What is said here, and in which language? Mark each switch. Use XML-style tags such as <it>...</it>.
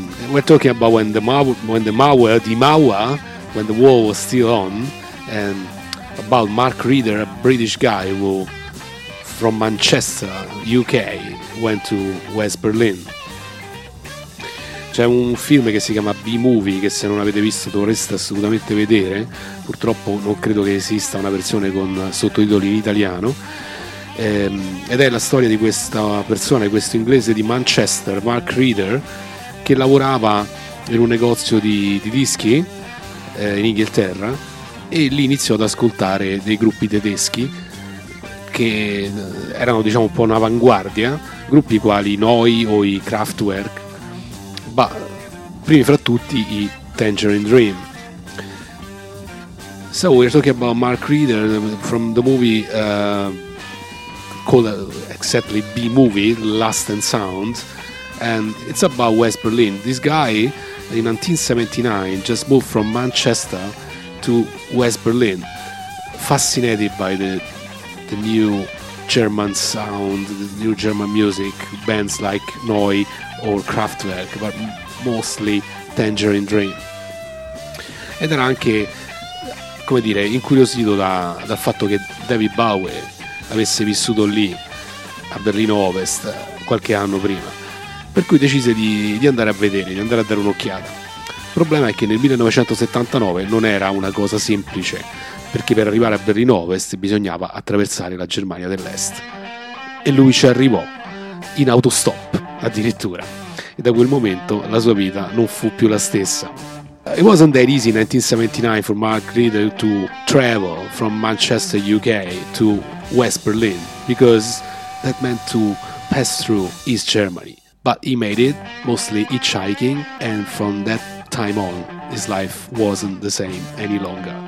<en>We're talking about when the war was still on, and about Mark Reeder, a British guy who from Manchester, UK, went to West Berlin.</en> <it>C'è un film che si chiama B-Movie, che se non avete visto dovreste assolutamente vedere. Purtroppo non credo che esista una versione con sottotitoli in italiano. Ed è la storia di questa persona, questo inglese di Manchester, Mark Reeder, che lavorava in un negozio di dischi in Inghilterra, e lì iniziò ad ascoltare dei gruppi tedeschi che erano, diciamo, un po' un'avanguardia, gruppi quali Noi o i Kraftwerk, ma primi fra tutti i Tangerine Dream.</it> <en>So we're talking about Mark Reeder from the movie called exactly B-Movie, Last and Sound, and it's about West Berlin. This guy in 1979 just moved from Manchester to West Berlin, fascinated by the new German sound, the new German music, bands like Noi or Kraftwerk, but mostly Tangerine Dream.</en> <it>Ed era anche, come dire, incuriosito dal fatto che David Bowie avesse vissuto lì a Berlino Ovest qualche anno prima, per cui decise di andare a vedere, di andare a dare un'occhiata. Il problema è che nel 1979 non era una cosa semplice, perché per arrivare a Berlino Ovest bisognava attraversare la Germania dell'Est, e lui ci arrivò in autostop addirittura, e da quel momento la sua vita non fu più la stessa.</it> <en>It wasn't that easy in 1979 for Mark Reeder to travel from Manchester, UK to West Berlin, because that meant to pass through East Germany. But he made it, mostly hitchhiking, and from that time on, his life wasn't the same any longer.</en>